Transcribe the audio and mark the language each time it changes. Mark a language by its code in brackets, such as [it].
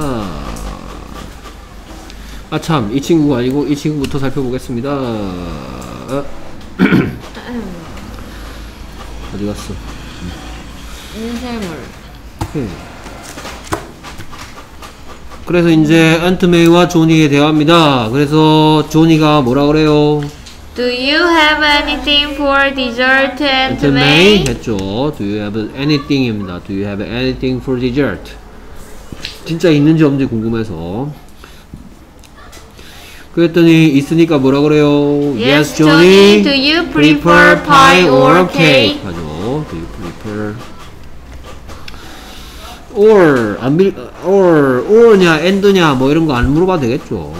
[ko] 아, 참. 이 친구가 아니고 이 친구부터 살펴보겠습니다. 어디 갔어? 인쇄물. 그래서 이제 앤트메이와 조니의 대화입니다. 그래서 조니가 뭐라 그래요? [en] Do you have anything for dessert, Aunt May? [ko] 했죠. [en] Do you have anything입니다. Do you have anything for dessert? [ko] 진짜 있는지 없는지 궁금해서. 그랬더니 있으니까 뭐라 그래요? [en] Yes, Johnny. Do you prefer pie or cake? [ko] 하죠. [en] Do you prefer [ko] or냐, and냐 뭐 이런 거 안 물어봐도 되겠죠.